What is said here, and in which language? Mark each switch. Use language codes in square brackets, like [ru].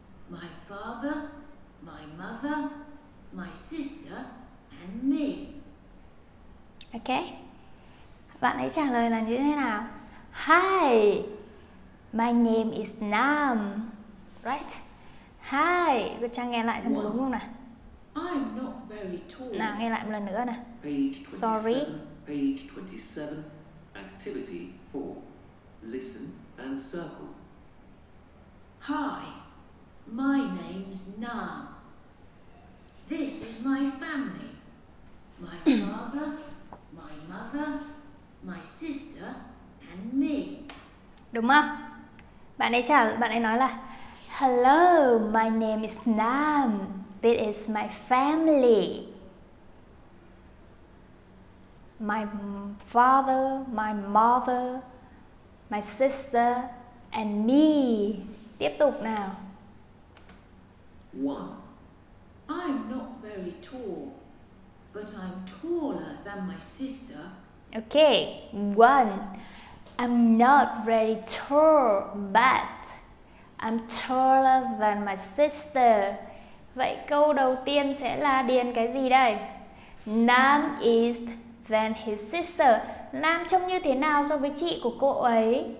[en] My father, my mother, my sister and me. Ok. [vi] Bạn ấy trả lời là như thế nào? [en] Hi, my name is Nam. Right? [vi] Hi, được trang nghe lại xem có đúng không nào? [en] I'm not very tall. [vi] Nào, nghe lại một lần nữa nào. [en] Sorry. Page 27, activity 4. Listen and circle. Hi, my name's Nam. This is my family. My father, my mother, my sister and me. [vi] Đúng không? Bạn ấy chào, bạn ấy nói là [en] Hello, my name is Nam. This is my family. My father, my mother, my sister and me. [vi] Tiếp tục nào. 1. [en] I'm not very tall, but I'm taller than my sister. Okay, 1. I'm not very tall, but I'm taller than my sister. [vi] Vậy câu đầu tiên sẽ là điền cái gì đây? [en] Nam is than his sister. [vi] Nam trông như thế nào so với chị của cô ấy?